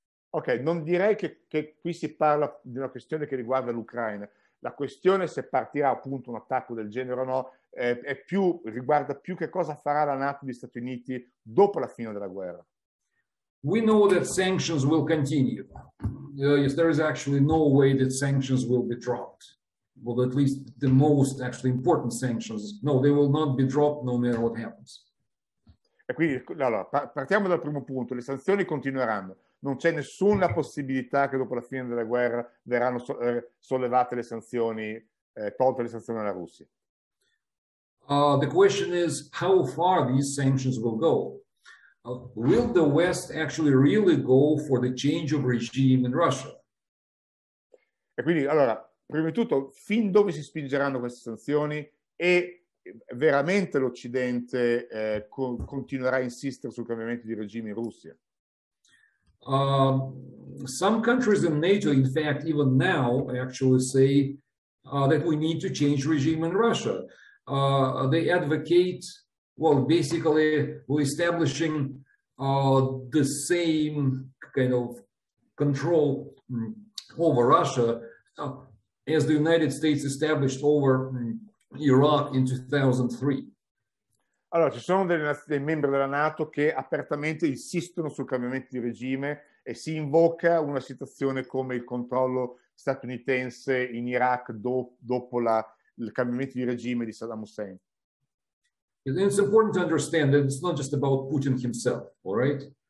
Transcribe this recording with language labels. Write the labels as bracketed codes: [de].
[it] Ok, non direi che qui si parla di una questione che riguarda l'Ucraina. La questione se partirà appunto un attacco del genere o no riguarda più che cosa farà la NATO degli Stati Uniti dopo la fine della guerra. [en] We know that sanctions will continue. Yes, there is actually no way that sanctions will be dropped. Well, at least the most actually important sanctions. No, they will not be dropped no matter what happens. [it] E quindi, allora, partiamo dal primo punto. Le sanzioni continueranno. Non c'è nessuna possibilità che dopo la fine della guerra verranno sollevate le sanzioni, tolte le sanzioni alla Russia. [en] The question is how far these sanctions will go. Will the West actually really go for the change of regime in Russia? [it] E quindi, allora, prima di tutto, fin dove si spingeranno queste sanzioni e veramente l'Occidente continuerà a insistere sul cambiamento di regime in Russia? [en] Some countries in NATO, in fact, even now, actually say that we need to change regime in Russia. They advocate, well, basically, we're establishing the same kind of control over Russia as the United States established over Iraq in 2003. [it] Allora, ci sono dei membri della NATO che apertamente insistono sul cambiamento di regime e si invoca una situazione come il controllo statunitense in Iraq dopo il cambiamento di regime di Saddam Hussein. [en] It's important to understand that it's not just about Putin himself, all right?